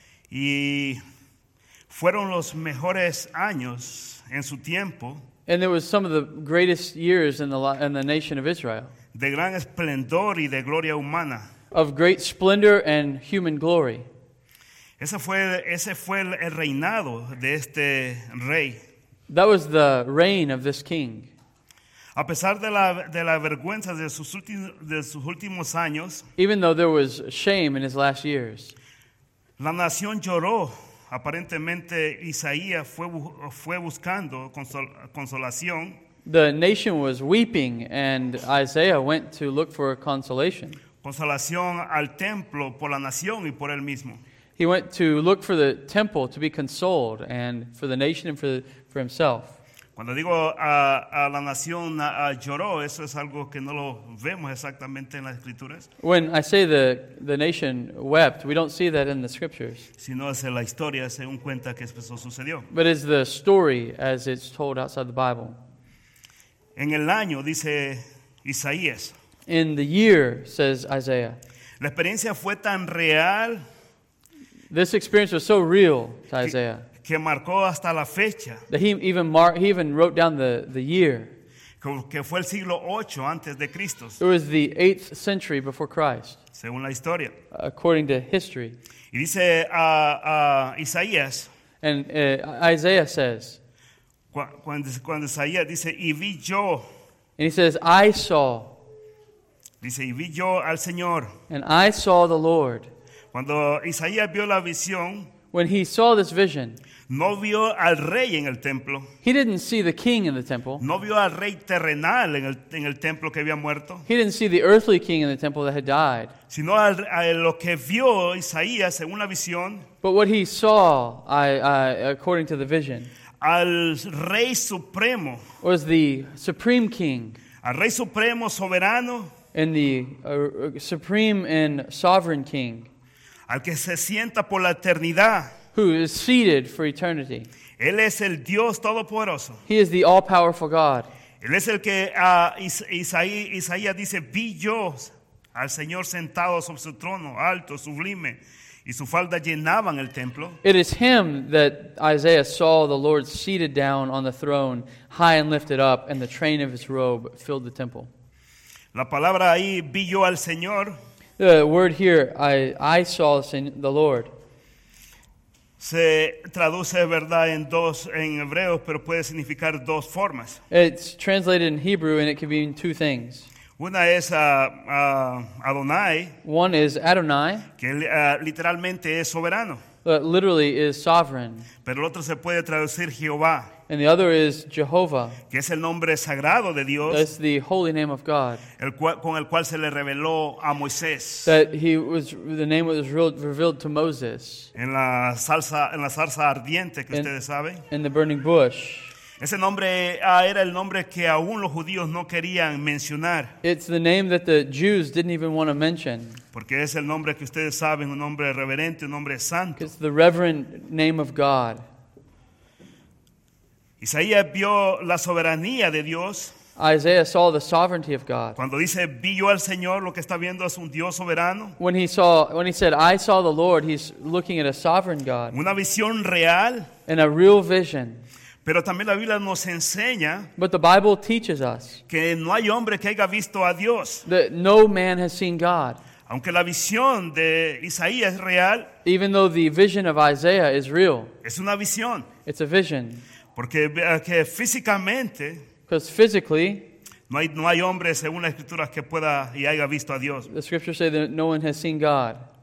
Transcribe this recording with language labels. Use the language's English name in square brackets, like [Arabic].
[Spanish] Y fueron los mejores años en su tiempo. [English] And it was some of the greatest years in the nation of Israel. [Spanish] De gran esplendor y de gloria humana. [English] Of great splendor and human glory. [Spanish] Ese fue el reinado de este rey. [English] That was the reign of this king. [Spanish] A pesar de la vergüenza de sus últimos años, [English] even though there was shame in his last years, [Spanish] la nación lloró. Aparentemente, Isaías fue buscando consolación. [English] The nation was weeping, and Isaiah went to look for consolation. [Spanish] Consolación al templo por la nación y por él mismo. [English] He went to look for the temple to be consoled, and for the nation and for himself. [Spanish] Cuando digo a la nación lloró, eso es algo que no lo vemos exactamente en las escrituras. [English] When I say the nation wept, we don't see that in the scriptures. [Spanish] Sino es la historia según cuenta que eso sucedió. [English] But it's the story as it's told outside the Bible. [Spanish] En el año, dice Isaías. [English] In the year, says Isaiah. [Spanish] La experiencia fue tan real. [English] This experience was so real to Isaiah. [Spanish] Que marcó hasta la fecha. [English] That he even wrote down the year. [Spanish] Que fue el siglo 8 antes de Cristo. [English] It was the 8th century before Christ. [Spanish] Según la historia. [English] According to history. [Spanish] Y dice Isaías. [English] And Isaiah says. [Spanish] Cuando Isaías dice, y vi yo. [English] And he says, I saw. [Spanish] Dice, y vi yo al Señor. [English] And I saw the Lord. [Spanish] Cuando Isaías vio la visión. [English] When he saw this vision. [Spanish] No vio al rey en el templo. [English] He didn't see the king in the temple. [Spanish] No vio al rey terrenal en el templo que había muerto. [English] He didn't see the earthly king in the temple that had died. [Spanish] Sino a lo que vio Isaías según la visión. [English] But what he saw, according to the vision. [Spanish] Al rey supremo. [English] Was the supreme king. [Spanish] Al rey supremo soberano. [English] And the supreme and sovereign king. [Spanish] Al que se sienta por la eternidad. [English] Who is seated for eternity. [Spanish] Él es el Dios todopoderoso. [English] He is the all-powerful God. [Spanish] Él es el que Isaías dice, vi yo al Señor sentado sobre su trono, alto, sublime, y su falda llenaban el templo. [English] It is him that Isaiah saw the Lord seated down on the throne, high and lifted up, and the train of his robe filled the temple. [Spanish] La palabra ahí, vi yo al Señor. [English] The word here, I saw the Lord. [Spanish] Se traduce, verdad, en dos en hebreo, pero puede significar dos formas. [English] It's translated in Hebrew and it can mean two things. [Spanish] Una es Adonai. [English] One is Adonai. [Spanish] Que literalmente es soberano. [English] That literally is sovereign. [Spanish] Pero el otro se puede traducir Jehová. [English] And the other is Jehovah. [Spanish] Que es el nombre sagrado de Dios. [English] That's the holy name of God. [Spanish] Con el cual se le reveló a Moisés. [English] That he was the name that was revealed to Moses. [Spanish] En la zarza ardiente que ustedes saben. [English] In the burning bush. [Spanish] Ese nombre era el nombre que aún los judíos no querían mencionar. [English] It's the name that the Jews didn't even want to mention. [Spanish] Porque es el nombre que ustedes saben, un nombre reverente, un nombre santo. [English] It's the reverent name of God. [Spanish] Isaías vio la soberanía de Dios. [English] Isaiah saw the sovereignty of God. [Spanish] Cuando dice, vi yo al Señor, lo que está viendo es un Dios soberano. [English] When he said, I saw the Lord, he's looking at a sovereign God. [Spanish] Una visión real. [English] And a real vision. [Spanish] Pero también la Biblia nos enseña. [English] But the Bible teaches us. [Spanish] Que no hay hombre que haya visto a Dios. [English] That no man has seen God. [Spanish] Aunque la visión de Isaías es real. [English] Even though the vision of Isaiah is real. [Spanish] Es una visión. [English] It's a vision. [Spanish] Porque que físicamente, [English] because physically, [Spanish] no hay hombre según las escrituras que pueda y haya visto a Dios. [English] The scriptures say that no one has seen God.